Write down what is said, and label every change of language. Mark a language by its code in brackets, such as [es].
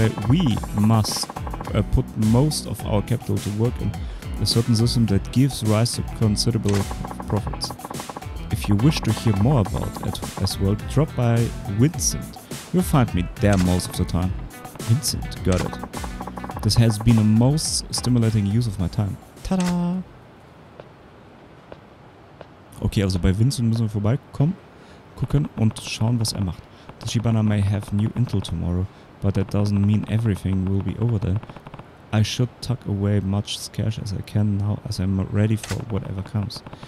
[en] We must put most of our capital to work in a certain system that gives rise to considerable profits. If you wish to hear more about it as well, drop by Vincent. You'll find me there most of the time. Vincent, got it. This has been a most stimulating use of my time. Tada! [de] Okay, also bei Vincent müssen wir vorbeikommen, gucken und schauen, was er macht. [en] The Shibana may have new intel tomorrow, but that doesn't mean everything will be over then. I should tuck away much cash as I can now, as I'm ready for whatever comes.